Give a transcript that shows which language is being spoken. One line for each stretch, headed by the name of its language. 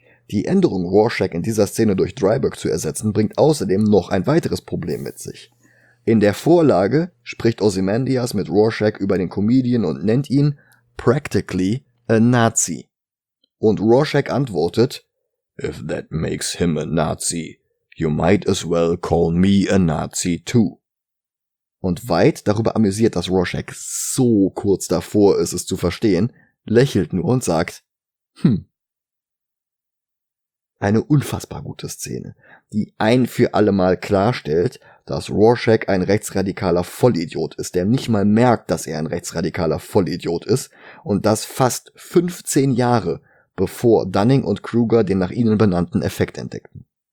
German: Die Änderung, Rorschach in dieser Szene durch Dryburgh zu ersetzen, bringt außerdem noch ein weiteres Problem mit sich. In der Vorlage spricht Ozymandias mit Rorschach über den Comedian und nennt ihn
English: practically a Nazi.
German: Und Rorschach antwortet,
English: if that makes him a Nazi, you might as well call me a Nazi too.
German: Und weit darüber amüsiert, dass Rorschach so kurz davor ist, es zu verstehen, lächelt nur und sagt, Eine unfassbar gute Szene, die ein für allemal klarstellt, dass Rorschach ein rechtsradikaler Vollidiot ist, der nicht mal merkt, dass er ein rechtsradikaler Vollidiot ist und das fast 15 Jahre, bevor Dunning und Kruger den nach ihnen benannten Effekt entdeckten.